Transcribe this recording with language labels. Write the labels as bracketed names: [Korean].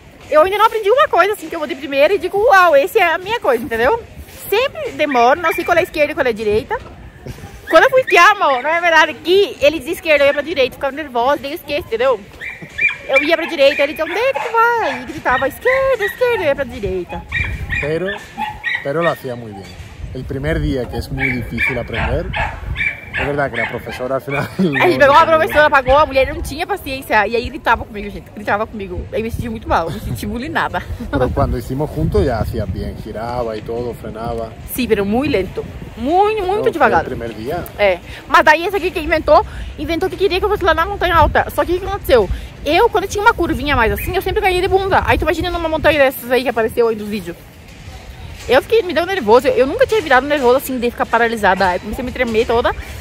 [Portuguese] Eu ainda não aprendi uma coisa, assim, que eu vou de primeira e digo, uau, esse é a minha coisa, entendeu? Sempre demoro, não sei qual é a esquerda e qual é a direita. Quando eu fui esquiar, amor, não é verdade, que ele dizia esquerda, eu ia pra direita, ficava nervosa, daí eu esqueci, entendeu? Eu ia pra direita, ele dizia, onde é que tu vai? E gritava, esquerda, eu ia pra direita. [Spanish] Pero lo hacía muy bien. El primer día, que es muy difícil aprender, es verdad que la profesora al final... [Portuguese] A gente pegou uma professora, apagou, a mulher não tinha paciência, e aí gritava comigo, gente, gritava comigo. Aí me senti muito mal, me senti bulinada. [Spanish] Pero cuando hicimos juntos ya hacía bien, giraba y todo, frenaba. Sí, pero muy lento. [Portuguese] Muito devagar. No primeiro dia? É. Mas daí esse aqui que inventou que queria que eu fosse lá na montanha alta. Só que o que aconteceu? Eu, quando tinha uma curvinha mais assim, eu sempre caía de bunda. Aí tu imagina numa montanha dessas aí que apareceu aí nos vídeos. Eu fiquei, me deu nervoso. Eu nunca tinha virado nervoso assim, de ficar paralisada. Aí comecei a me tremer toda.